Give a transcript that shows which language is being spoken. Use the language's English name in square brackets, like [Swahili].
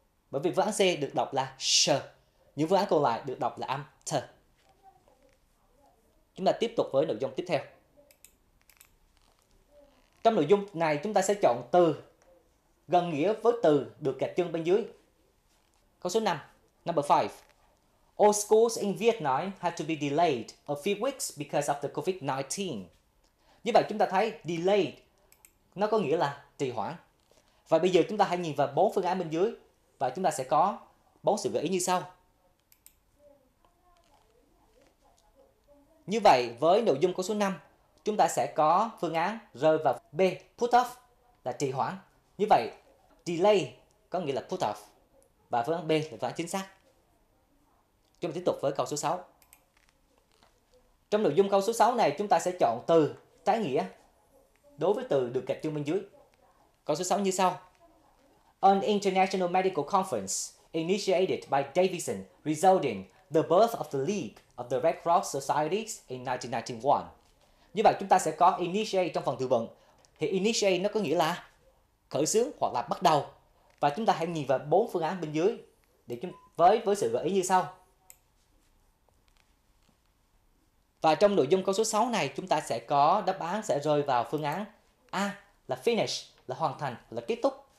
[Vietnamese] Bởi vì phương án C được đọc là SH. Những phương án còn lại được đọc là âm T. Chúng ta tiếp tục với nội dung tiếp theo. Trong nội dung này, chúng ta sẽ chọn từ gần nghĩa với từ được gạch chân bên dưới. Câu số 5. [English] Number 5. All schools in Vietnam had to be delayed a few weeks because of the COVID-19. [Vietnamese] Như vậy, chúng ta thấy delayed nó có nghĩa là trì hoãn. Và bây giờ chúng ta hãy nhìn vào 4 phương án bên dưới và chúng ta sẽ có 4 sự gợi ý như sau. Như vậy, với nội dung câu số 5, chúng ta sẽ có phương án rơi vào B, put off, là trì hoãn. Như vậy, delay có nghĩa là put off. Và phương án B là phương án chính xác. Chúng ta tiếp tục với câu số 6. Trong nội dung câu số 6 này, chúng ta sẽ chọn từ trái nghĩa đối với từ được gạch chân bên dưới. Câu số 6 như sau. [English] An international medical conference initiated by Davidson resulted in the birth of the League of the Red Cross Societies in 1991. [Vietnamese] Như vậy, chúng ta sẽ có initiate trong phần từ vựng. Thì initiate nó có nghĩa là khởi xướng hoặc là bắt đầu. Và chúng ta hãy nhìn vào 4 phương án bên dưới để với sự gợi ý như sau. Và trong nội dung câu số 6 này, chúng ta sẽ có đáp án sẽ rơi vào phương án A là finish, là hoàn thành, là kết thúc.